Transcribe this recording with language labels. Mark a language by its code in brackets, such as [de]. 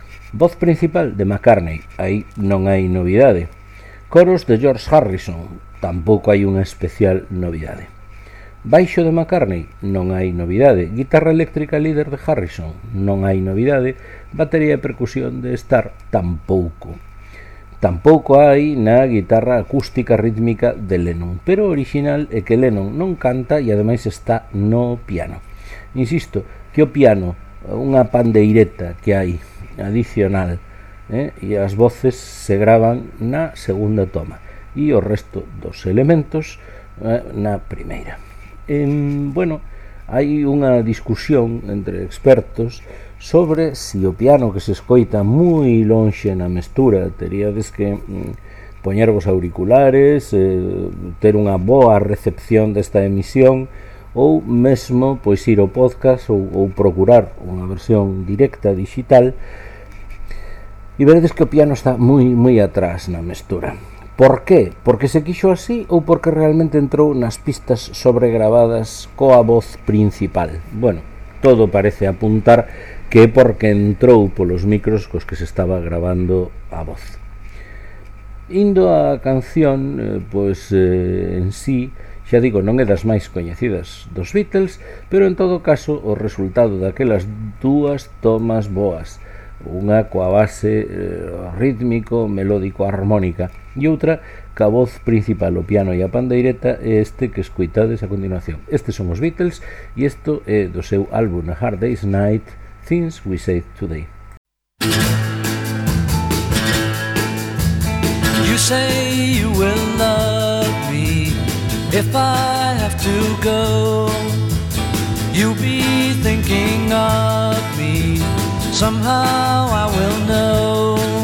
[gl] Voz principal de McCartney, aí non hai novidade. Coros de George Harrison, tampouco hai unha especial novidade. Baixo de McCartney, non hai novidade. Guitarra eléctrica líder de Harrison, non hai novidade. Batería e percusión de Starr, tampouco. Tampouco hai na guitarra acústica rítmica de Lennon, pero o original é que Lennon non canta e ademais está no piano. Insisto, que o piano, unha pandeireta que hai adicional E as voces se gravan na segunda toma e o resto dos elementos na primeira. Bueno, hai unha discusión entre expertos sobre si o piano que se escoita moi lonxe na mestura teríades que poñervos auriculares, ter unha boa recepción desta emisión ou mesmo pois ir ao podcast ou procurar unha versión directa digital. E veredes que o piano está moi moi atrás na mestura. Por qué? Porque se quixo así ou porque realmente entrou nas pistas sobregravadas coa voz principal? Bueno, todo parece apuntar que é porque entrou polos micros cos que se estaba gravando a voz. Indo á canción, pois en sí, xa digo, non é das máis coñecidas dos Beatles, pero en todo caso o resultado daquelas dúas tomas boas, unha coa base rítmico, melódico, harmónica, e outra ca voz principal, o piano e a pandeireta, é este que escuitades a continuación. Estes son os Beatles e isto é do seu álbum A Hard Day's Night, Things We Say Today. [en] You say you will love me if I have to go. You'll be thinking of me. Somehow I will know.